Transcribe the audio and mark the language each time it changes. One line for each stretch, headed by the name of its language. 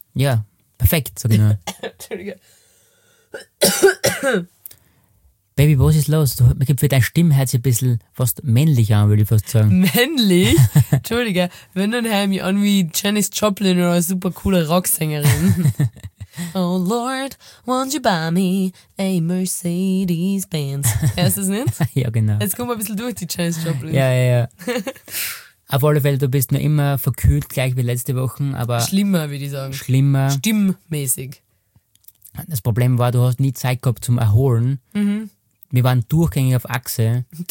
German: Ja, perfekt, sag ich nur. Entschuldige. Baby, was ist los? Für dein Stimmherz ein bisschen fast männlich an, würde ich fast sagen. Männlich? Entschuldige, wenn dann hör ich mich an wie Janis Joplin oder eine super coole Rocksängerin.
English: Oh Lord, won't you buy me a Mercedes-Benz?
German: Hörst du es nicht? Ja, genau. Jetzt kommen wir ein bisschen durch, die Janis Joplin. Ja, ja, ja. Auf alle Fälle, du bist noch immer verkühlt, gleich wie letzte Woche, aber... Schlimmer, würde ich sagen. Schlimmer. Stimmmäßig. Das Problem war, du hast nie Zeit gehabt zum Erholen. Mhm. Wir waren durchgängig auf Achse.